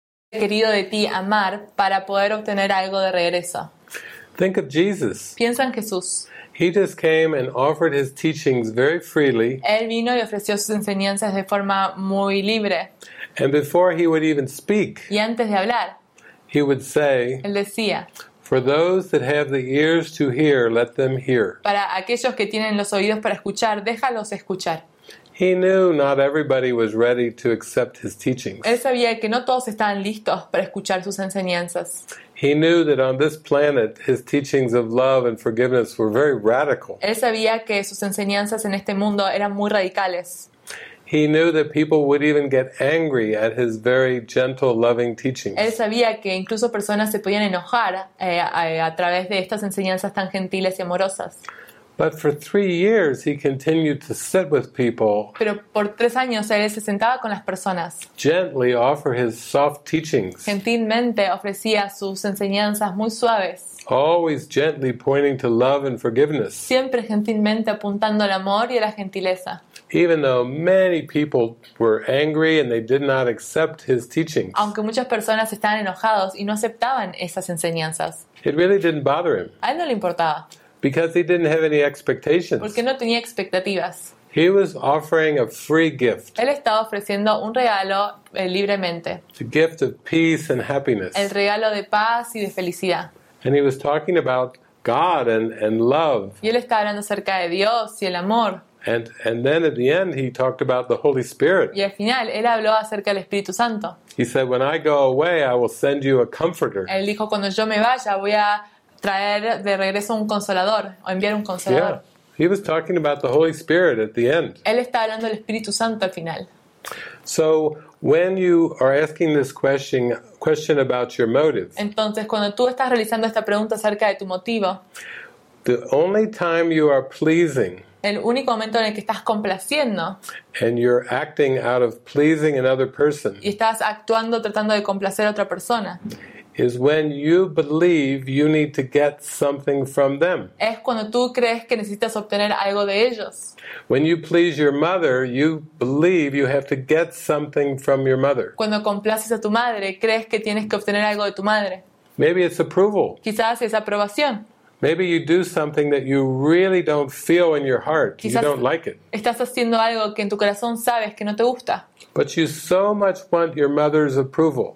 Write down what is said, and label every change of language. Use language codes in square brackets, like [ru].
[es] querido de ti amar para poder obtener algo de regreso. [en] Think of Jesus. [es] Piensa en Jesús. [en] He just came and offered his teachings very freely. [es] Él vino y ofreció sus enseñanzas de forma muy libre. [en] And before he would even speak, [es] y antes de hablar, [en] he would say, [es] él decía, [en] "For those that have the ears to hear, let them hear." [es] Para aquellos que tienen los oídos para escuchar, déjalos escuchar. [en] He knew not everybody was ready to accept his teachings. [es] Él sabía que no todos estaban listos para escuchar sus enseñanzas. [en] He knew that on this planet, his teachings of love and forgiveness were very radical. [es] Él sabía que sus enseñanzas en este mundo eran muy radicales. [en] He knew that people would even get angry at his very gentle, loving teachings. [es] Él sabía que incluso personas se podían enojar a través de estas enseñanzas tan gentiles y amorosas. [en] But for 3 years, he continued to sit with people. [es] Pero por 3 años él se sentaba con las personas. [en] Gently offer his soft teachings. [es] Gentilmente ofrecía sus enseñanzas muy suaves. [en] Always gently pointing to love and forgiveness. [es] Siempre gentilmente apuntando al amor y a la gentileza. [en] Even though many people were angry and they did not accept his teachings. [es] Aunque muchas personas estaban enojados y no aceptaban esas enseñanzas. [en] It really didn't bother him. [es] A él no le importaba. [en] Because he didn't have any expectations. [es] Porque no tenía expectativas. [en] He was offering a free gift. [es] Él estaba ofreciendo un regalo libremente. [en] The gift of peace and happiness. [es] El regalo de paz y de felicidad. [en] And he was talking about God and love. [es] Y él estaba hablando acerca de Dios y el amor. [en] And then at the end he talked about the Holy Spirit. [es] Y al final él habló acerca del Espíritu Santo. [en] He said, "When I go away, I will send you a comforter." [es] Él dijo, "Cuando yo me vaya, voy a traer de regreso un consolador o enviar un consolador." [en] Yeah. He was talking about the Holy Spirit at the end. [es] Él está hablando del Espíritu Santo al final. [en] So when you are asking this question about your motive. [es] Entonces cuando tú estás realizando esta pregunta acerca de tu motivo. [en] The only time you are pleasing. [es] El único momento en el que estás complaciendo. [en] And you're acting out of pleasing another person. [es] Y estás actuando tratando de complacer a otra persona. [en] Is when you believe you need to get something from them. [es] Es cuando tú crees que necesitas obtener algo de ellos. [en] When you please your mother, you believe you have to get something from your mother. [es] Cuando complaces a tu madre, crees que tienes que obtener algo de tu madre. [en] Maybe it's approval. [es] Quizás es aprobación. [en] Maybe you do something that you really don't feel in your heart. [es] Quizás [en] you don't like it. [es] Estás haciendo algo que en tu corazón sabes que no te gusta. [en] But you so much want your mother's approval.